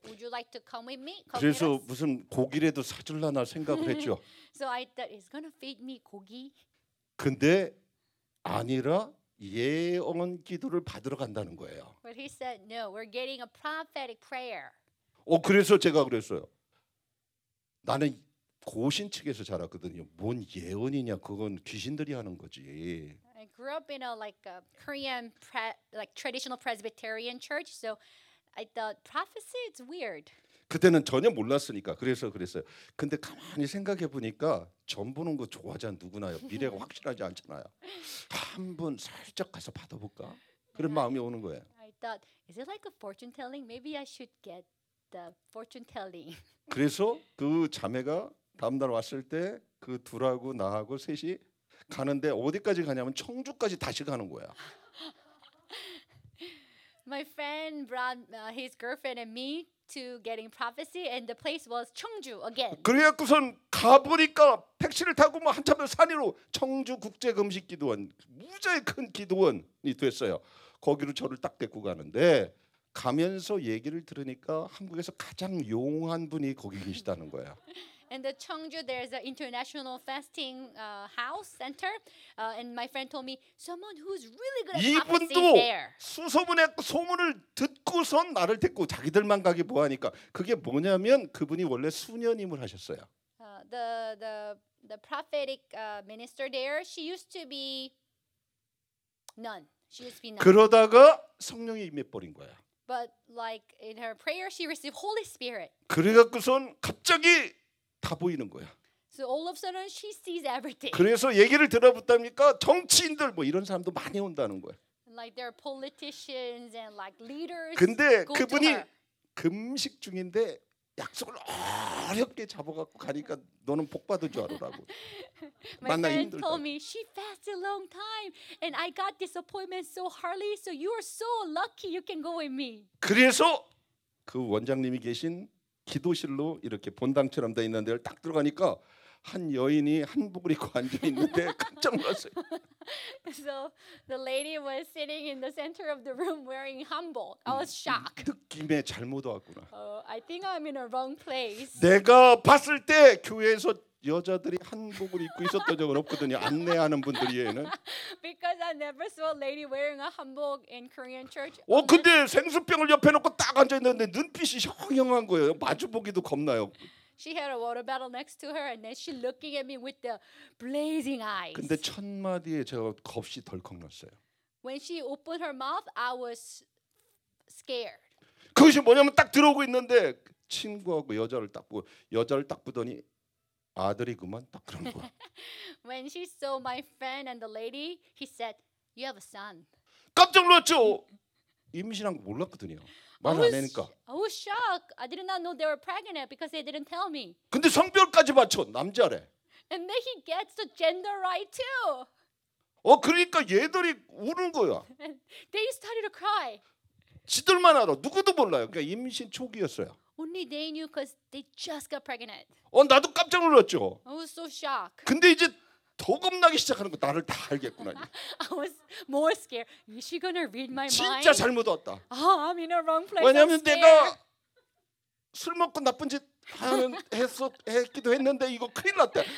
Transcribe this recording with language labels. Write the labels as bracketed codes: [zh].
[en] Would you like to come with me? Come [ko] 그래서 with 무슨 고기라도 사줄라나 생각을 했죠. [en] So I thought he's going to feed me 고기. [ko] 근데 아니라 예언 기도를 받으러 간다는 거예요. [en] But he said no, we're getting a prophetic prayer. [ko] 그래서 제가 그랬어요. 나는 고신 측에서 자랐거든요. 뭔 예언이냐? 그건 귀신들이 하는 거지. [en] I grew up in a like a Korean like traditional Presbyterian church, so I thought prophecy is weird. [ko] 그때는 전혀 몰랐으니까 그래서 그랬어요. 근데 가만히 생각해 보니까 전 보는 거 좋아하잖 누구나요. 미래가 확실하지 않잖아요. 한번 살짝 가서 받아볼까? 그런 yeah, 마음이 오는 거예요. [en] I thought is it like a fortune telling? Maybe I should get the fortune telling. [ko] 그래서 그 자매가 다음날 왔을 때 그 둘하고 나하고 셋이 가는데 어디까지 가냐면 청주까지 다시 가는 거야. [en] My friend brought his girlfriend and me to getting prophecy and the place was Cheongju again. [ko] 그래갖고선 가보니까 택시를 타고 뭐 한참 산으로 청주 국제금식기도원 무지하게 큰 기도원이 됐어요. 거기로 저를 딱 데리고 가는데 가면서 얘기를 들으니까 한국에서 가장 용한 분이 거기 계시다는 거야. [en] And the Cheongju, there's an international fasting house center. And my friend told me someone who's really good at prophecy there. [ko] 이분도 수소문의 소문을 듣고선 나를 데리고 자기들만 가기 뭐하니까 그게 뭐냐면 그분이 원래 수녀님을 하셨어요. [en] The prophetic minister there, she used to be nun. She used to be nun. [ko] 그러다가 성령이 임해버린 거야. [en] But like in her prayer, she received Holy Spirit. [ko] 그래갖고선 갑자기 다 보이는 거야. [en] So all of a sudden she sees everything. [ko] 그래서 얘기를 들어봤답니까? 정치인들 뭐 이런 사람도 많이 온다는 거야. [en] Like there are politicians and like leaders. [ko] 근데 그분이 금식 중인데 약속을 어렵게 잡아갖고 가니까 너는 복 받을 줄 알아라고. [en] My friend told me she fasted a long time and I got this appointment so hardly. So you are so lucky you can go with me. [ko] 그래서 그 원장님이 계신 기도실로 이렇게 본당처럼 돼 있는 데를 딱 들어가니까 한 여인이 한복을 입고 앉아 있는데 깜짝 놀랐어요. [en] So the lady was sitting in the center of the room wearing hanbok. I was shocked. [ko] 느낌에 잘못 왔구나. [en] I think I'm in a wrong place. [ko] 내가 봤을 때 교회에서 여자들이 한복을 입고 있었던 적은 없거든요. 안내하는 분들 이외에는. [en] Because I never saw a lady wearing a hanbok in Korean church. [ko] 근데 생수병을 옆에 놓고 딱 앉아 있는데 눈빛이 형형한 거예요. 마주 보기도 겁나요. [en] She had a water bottle next to her and then she looking at me with the blazing eyes. [ko] 근데 첫 마디에 제가 겁이 덜컥 났어요. [en] When she opened her mouth, I was scared. [ko] 그것이 뭐냐면 딱 들어오고 있는데 친구하고 여자를 딱 보고 여자를 딱 보더니 아들이구만 딱 그런 거야. [en] When she saw my friend and the lady, he said, "You have a son." [ko] 깜짝 놀랐죠. 임신한 거 몰랐거든요. 말 안 하니까. [en] I was shocked. I did not know they were pregnant because they didn't tell me. [ko] 근데 성별까지 맞춰 남자래. [en] And then he gets the gender right too. [ko] 그러니까 얘들이 우는 거야. [en] They started to cry. [ko] 지들만 알아. 누구도 몰라요. 그러니까 임신 초기였어요. [en] Only they knew because they just got pregnant. [ko] 나도 깜짝 놀랐죠. [en] I was so shocked. [ko] 근데 이제 더 겁나기 시작하는 거 나를 다 알겠구나. [en] I was more scared. Is she gonna read my mind? [ko] 진짜 잘못 왔다. [en] Oh, I'm in a wrong place. [ko] 왜냐면 내가 술 먹고 나쁜 짓 했기도 했는데 이거 큰일 났다.